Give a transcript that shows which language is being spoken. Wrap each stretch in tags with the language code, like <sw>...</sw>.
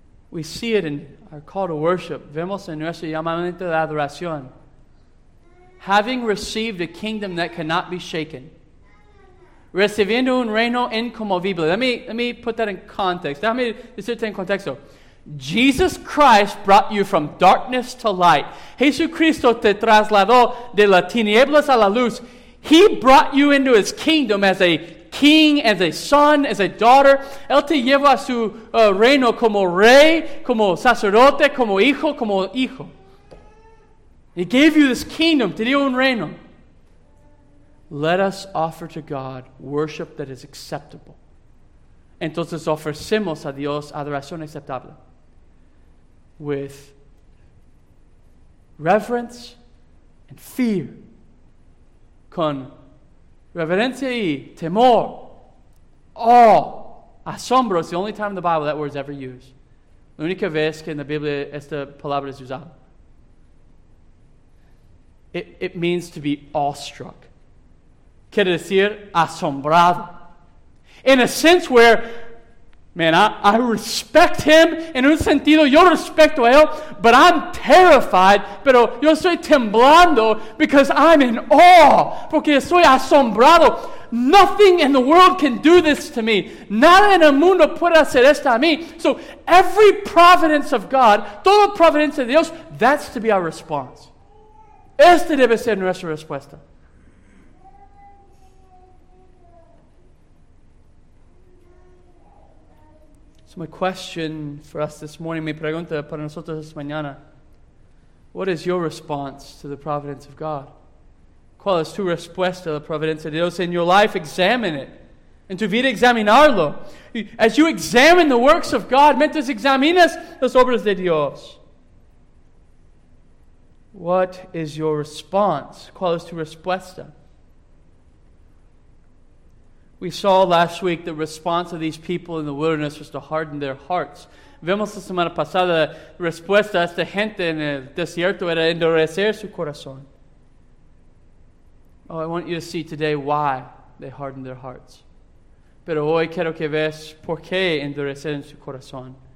<en>We see it in our call to worship.</en> <es>Vemos en nuestro llamamiento de adoración.</es> <en>Having received a kingdom that cannot be shaken.</en> <es>Recibiendo un reino incomovible.</es> <en>Let me put that in context.</en> <es>Déjame decirte en contexto.</es> <en>Jesus Christ brought you from darkness to light.</en> <es>Jesucristo te trasladó de las tinieblas a la luz.</es> <en>He brought you into his kingdom as a king, as a son, as a daughter.</en> <es>Él te llevó a su reino como rey, como sacerdote, como hijo, como hijo.</es> <en>He gave you this kingdom,</en> <es>te dio un reino.</es> <en>Let us offer to God worship that is acceptable.</en> <es>Entonces ofrecemos a Dios adoración aceptable.</es> <en>With reverence and fear.</en> <es>Con reverencia y temor. Oh, asombro.</es> <en>It's the only time in the Bible that word is ever used.</en> <es>La única vez que en la Biblia esta palabra es usada.</es> <en>It means to be awestruck.</en> <es>Quiere decir asombrado.</es> <en>In a sense where, man, I respect him.</en> <es>En un sentido, yo respecto a él,</es> <en>but I'm terrified.</en> <es>Pero yo estoy temblando</es> <en>because I'm in awe.</en> <es>Porque estoy asombrado.</es> <en>Nothing in the world can do this to me.</en> <es>Nada en el mundo puede hacer esto a mí.</es> <en>So every providence of God,</en> <es>toda providencia de Dios,</es> <en>that's to be our response.</en> <es>Esta debe ser nuestra respuesta.</es> <en>My question for us this morning,</en> <es>mi pregunta para nosotros esta mañana,</es> <en>what is your response to the providence of God?</en> <es>¿Cuál es tu respuesta a la providencia de Dios</es> <en>in your life? Examine it.</en> <es>En tu vida, examinarlo.</es> <en>As you examine the works of God,</en> <es>mientras examinas las obras de Dios,</es> <en>what is your response?</en> <es>¿Cuál es tu respuesta?</es> <en>We saw last week the response of these people in the wilderness was to harden their hearts.</en> <es>Vemos la semana pasada la respuesta a esta gente en el desierto era endurecer su corazón.</es> <en>Oh, I want you to see today why they hardened their hearts.</en> <es>Pero hoy quiero que veas por qué endurecieron su corazón.</es>